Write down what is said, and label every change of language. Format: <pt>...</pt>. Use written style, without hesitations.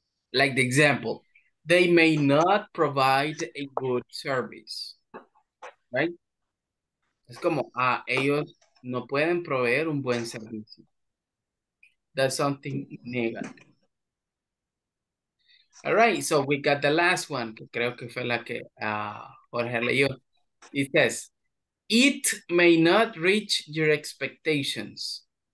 <en>Like the example, they may not provide a good service. Right?</en> <es>Es como, ellos no pueden proveer un buen servicio.</es> <en>That's something negative. All right, so we got the last one.</en> <es>Que creo que fue la que Jorge leyó.</es> <en>It says, it may not reach your expectations.</en>